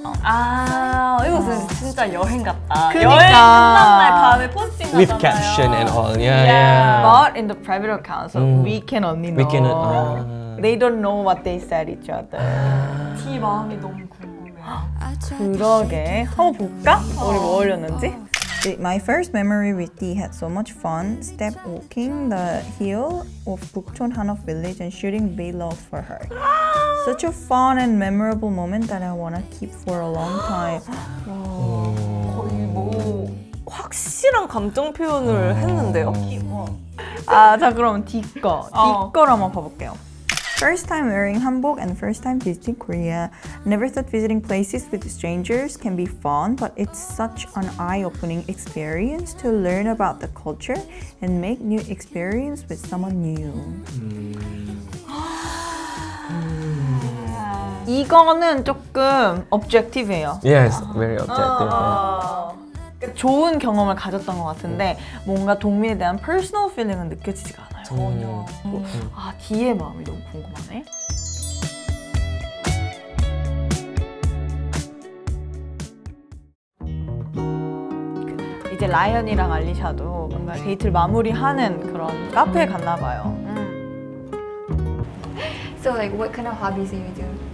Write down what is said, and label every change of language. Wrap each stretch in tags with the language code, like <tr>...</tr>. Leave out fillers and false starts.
<ko>Ah, 이거 진짜 여행 같다. 그러니까. 여행 끝난 날 밤에 포스팅.</ko> <en>With caption and all, yeah. But in the private account, so we can only know. We can. They don't know what they said each other.</en> <ko>티 마음이 너무. 그러게 한번 볼까? 우리 뭐 올렸는지?</ko> <en>My first memory with D had so much fun step walking the hill of Bukchon Hanok village and shooting B-log for her. Such a fun and memorable moment that I want to keep for a long time.</en> <ko>거의 뭐 확실한 감정 표현을 했는데요? 아, 자 그럼 D 거를 한번 봐볼게요.</ko> <en>First time wearing hanbok and first time visiting Korea. Never thought visiting places with strangers can be fun, but it's such an eye-opening experience to learn about the culture and make new experience with someone new.</en> <ko>이거는 조금 objective예요.</ko> <en>Yes, very objective.</en> <ko>좋은 경험을 가졌던 것 같은데 뭔가 동민에 대한</ko> <en>personal feeling</en> <ko>은 느껴지지가 않아요. 전혀. 아, 디의 마음이 너무 궁금하네. 이제 라이언이랑 알리샤도 뭔가 데이트를 마무리하는 그런 카페에 갔나 봐요.</ko> <en>So like what kind of hobbies do you do?</en>